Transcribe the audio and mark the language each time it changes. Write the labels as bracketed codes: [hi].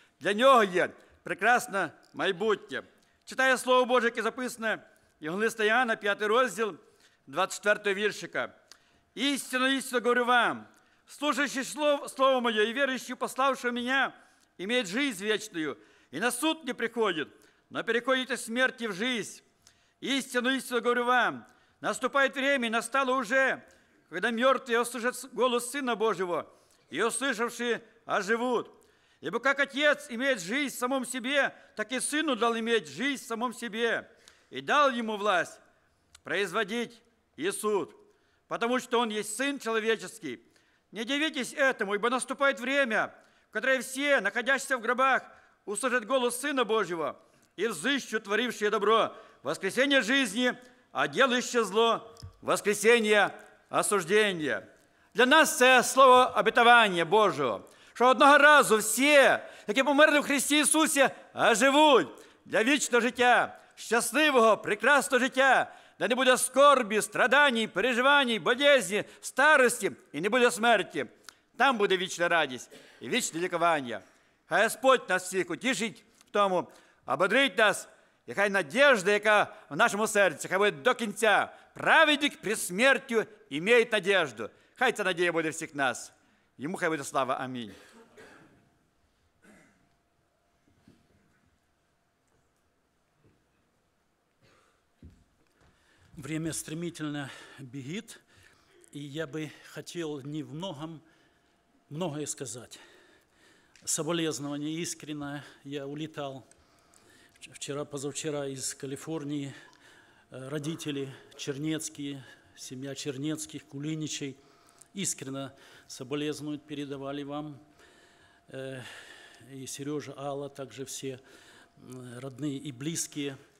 [uk] Для нього є прекрасне майбутнє. Читаю Слово Боже, яке записане Євангелістом Іоанна, 5 розділ, 24 віршика. «Істинно, істинно, говорю вам, слушаючи Слово Моє і віруючи пославшого Мене, імеє життя вічну, і на суд не приходить, но переходить від смерті в життя. [ru] Истину, истину говорю вам, наступает время, настало уже, когда мертвые услышат голос Сына Божьего, и услышавшие оживут. Ибо как Отец имеет жизнь в самом себе, так и Сыну дал иметь жизнь в самом себе, и дал Ему власть производить и суд, потому что Он есть Сын Человеческий. Не удивитесь этому, ибо наступает время, в которое все, находящиеся в гробах, услышат голос Сына Божьего и взыщут творившие добро». Воскресение жизни, а делающее зло, воскресение осуждения. [uk] Для нас це слово обетование Божие, що одного разу все, які померли в Христі Ісусі, оживуть для вічного життя, щасливого, прекрасного життя, де не буде скорбі, страданий, переживаний, болезні, старості і не буде смерті. Там буде вічна радість і вічне лікування. Хай Господь нас всіх утішить в тому, ободрить нас, і хай надіжда, яка в нашому серці, хай буде до кінця. Праведник при смерті імеє надіжду. Хай ця надія буде всіх нас. Йому хай буде слава. Амінь. [ru] Время стремительно [uk] бігит, і я би хотів не в многом многое сказати. Соболезнування іскренне, я улітав. [ru] Вчера, позавчера из Калифорнии родители Чернецкие, семья Чернецких, Кулиничей, искренне соболезнуют, передавали вам. И Сережа, Алла, также все родные и близкие.